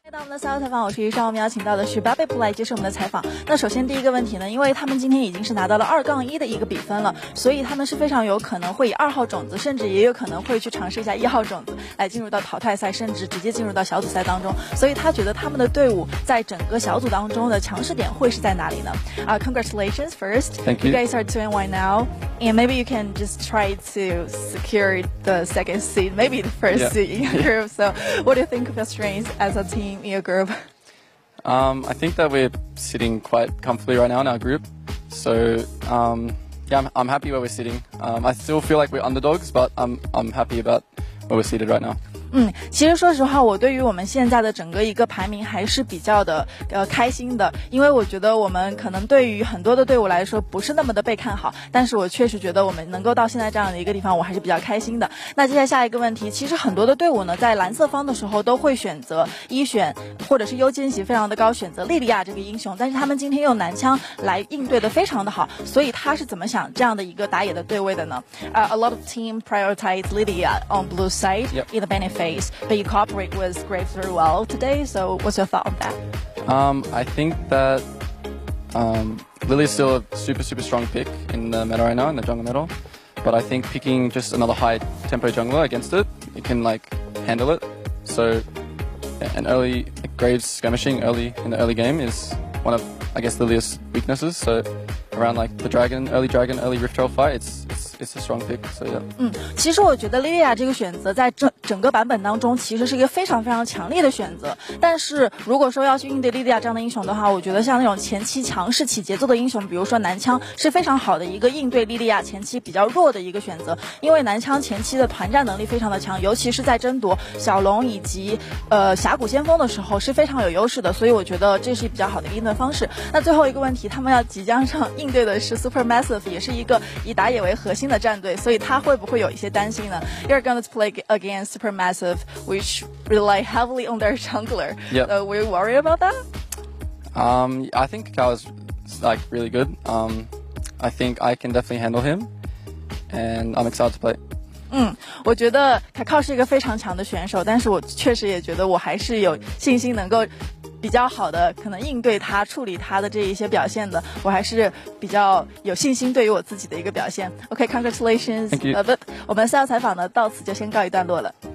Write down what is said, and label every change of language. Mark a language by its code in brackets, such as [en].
[zh] 那赛后采访，我是于昭，我们邀请到的是 Babip 来接受我们的采访。那首先第一个问题呢，因为他们今天已经是拿到了2-1的一个比分了，所以他们是非常有可能会以二号种子，甚至也有可能会去尝试一下一号种子来进入到淘汰赛，甚至直接进入到小组赛当中。所以他觉得他们的队伍在整个小组当中的强势点会是在哪里呢？ [en] Congratulations first. Thank you. You guys are 2-1 now, and maybe you can just try to secure the second seed, maybe the first seed in your group. So what do you think of the strengths as a team? Your group? I think that we're sitting quite comfortably right now in our group. So, I'm happy where we're sitting. I still feel like we're underdogs, but I'm happy about where we're seated right now. [zh] 其实说实话，我对于我们现在的整个一个排名还是比较的开心的，因为我觉得我们可能对于很多的队伍来说不是那么的被看好，但是我确实觉得我们能够到现在这样的一个地方，我还是比较开心的。那接下来下一个问题，其实很多的队伍呢在蓝色方的时候都会选择一选或者是优先级非常的高，选择莉莉亚这个英雄，但是他们今天用男枪来应对的非常的好，所以他是怎么想这样的一个打野的对位的呢？ [en] A lot of team prioritize Lydia on blue side in the benefit. But you cooperate with Graves very well today, so what's your thought on that? I think that Lily is still a super, super strong pick in the meta right now, in the jungle meta. But I think picking just another high tempo jungler against it, it can like handle it. So an early Graves skirmishing early in the early game is one of, I guess, Lily's weaknesses. So around like the dragon, early Rift Trail fight, it's a strong pick, so yeah. [zh] 其实我觉得 Lydia 这个选择在整个版本当中其实是一个非常非常强烈的选择，但是如果说要去应对 Lydia 这样的英雄的话，我觉得像那种前期强势起节奏的英雄，比如说男枪，是非常好的一个应对 Lydia 前期比较弱的一个选择，因为男枪前期的团战能力非常的强，尤其是在争夺小龙以及峡谷先锋的时候是非常有优势的，所以我觉得这是比较好的应对方式。那最后一个问题，他们要即将上应对的是 Supermassive, 也是一个以打野为核心的战队，所以他会不会有一些担心呢？ [en] You're going to play against Supermassive, which rely heavily on their jungler. Yep. Were you worried about that? I think Kao is like really good. I think I can definitely handle him, and I'm excited to play. [zh] 我觉得卡靠是一个非常强的选手，但是我确实也觉得我还是有信心能够比较好的可能应对他，处理他的这一些表现的，我还是比较有信心对于我自己的一个表现。 [en] OK, congratulations. Thank you. [zh] 我们赛后采访呢到此就先告一段落了。